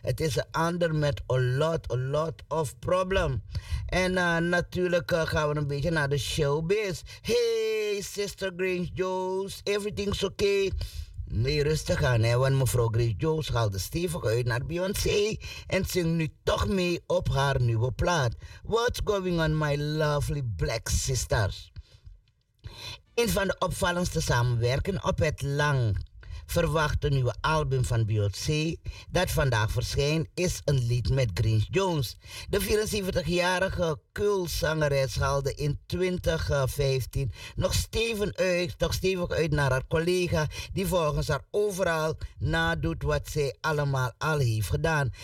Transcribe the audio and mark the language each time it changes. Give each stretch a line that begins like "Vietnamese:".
Dutch: Het is een ander met
English: a lot of problem.
Dutch: En natuurlijk gaan we een beetje naar de showbiz.
English: Hey, Sister Grace Jones, everything's okay.
Dutch: Nee, rustig aan, hè, want mevrouw Grace Jones haalde stevig uit naar Beyoncé en zingt nu toch mee op haar nieuwe plaat.
English: What's going on, my lovely black sisters?
Dutch: Een van de opvallendste samenwerkingen op het lang verwachte nieuwe album van Beyoncé dat vandaag verschijnt, is een lied met Grace Jones. De 74-jarige cultzangeres haalde in 2015 nog stevig uit naar haar collega die volgens haar overal nadoet wat zij allemaal al heeft gedaan.